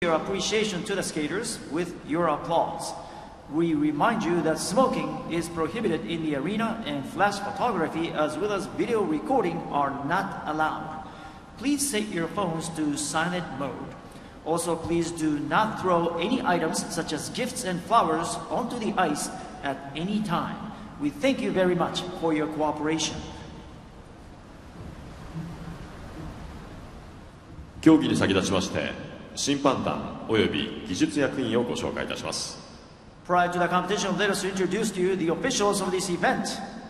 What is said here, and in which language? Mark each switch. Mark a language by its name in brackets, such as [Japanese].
[English] your appreciation to the skaters with your applause. We remind you that smoking is prohibited in the arena and flash photography as well as video recording are not allowed. Please set your phones to silent mode. Also, please do not throw any items such as gifts and flowers onto the ice at any time. We thank you very much for your cooperation. [Japanese] 競技に先立ちまして、審判団および技術役員をご紹介いたします。 [English] Prior to the competition, let us introduce to you the officials of this event.